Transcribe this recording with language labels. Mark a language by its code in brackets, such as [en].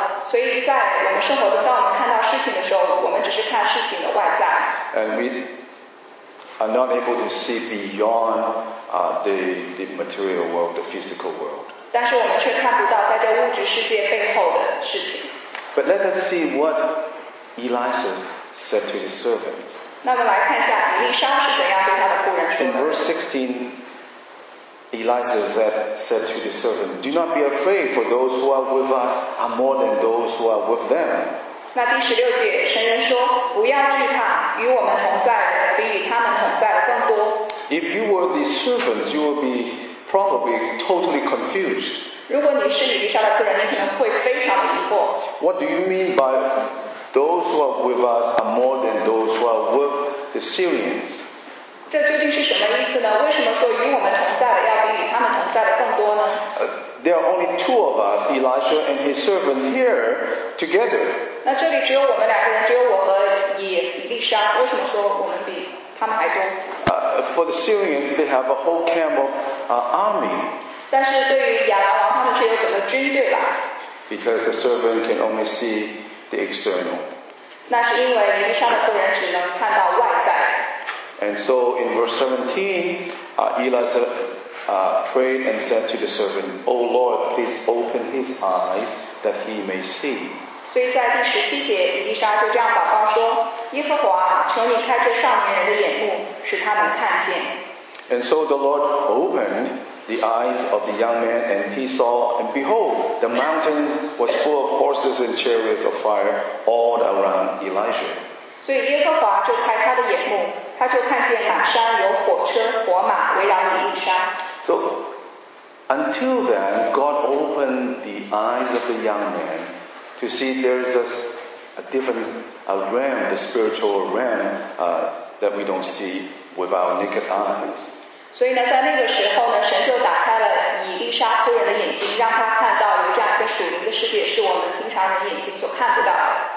[zh] 所以在我们生活中，当我们看到事情的时候，我们只是看事情的外在。 [en] And we are not able to see beyond the material world, the physical world. [zh] 但是我们却看不到在这物质世界背后的事情。 [en] But let us see what Elisha said to his servants. [zh] 那我们来看一下以利沙是怎样对他的仆人说的。 [en] In verse 16, Elisha said to his servant, "Do not be afraid, for those who are with us are more than those who are with them." [zh] 那第十六节，神人说，不要惧怕，与我们同在的比与他们同在的更多。 [en] If you were the servants, you would be probably totally confused. [zh] 如果你是以利沙的仆人，你可能会非常疑惑。 [en] What do you mean by those who are with us are more than those who are with the Syrians? [zh] 这究竟是什么意思呢？为什么说与我们同在的要比与他们同在的更多呢？ [en] There are only two of us, Elisha and his servant here together. [zh] 那这里只有我们两个人，只有我和以利沙，为什么说我们比他们还多？ [en] For the Syrians, they have a whole camp of army. [zh] 但是对于亚兰王，他们却有整个军队啦。 [en] Because the servant can only see the external. [zh] 那是因为以利沙的仆人只能看到外在。 [en] And so in verse 17, Elisha prayed and said to the servant, "O Lord, please open his eyes that he may see." [zh] 所以在第十七节，以利沙就这样祷告说，耶和华，求你开这少年人的眼目，使他能看见。 [en] And so the Lord opened the eyes of the young man, and he saw, and behold, the mountains was full of horses and chariots of fire all around Elijah. [zh] 所以耶和华就开他的眼目，他就看见满山有火车火马围绕着以利沙。 [en] So until then, God opened the eyes of the young man to see there is a a different a realm, the spiritual realm, that we don't see with our naked eyes. [zh] 所以呢，在那个时候呢，神就打开了以利沙夫人的眼睛，让他看到有这样一个属灵的世界，是我们平常人眼睛所看不到的。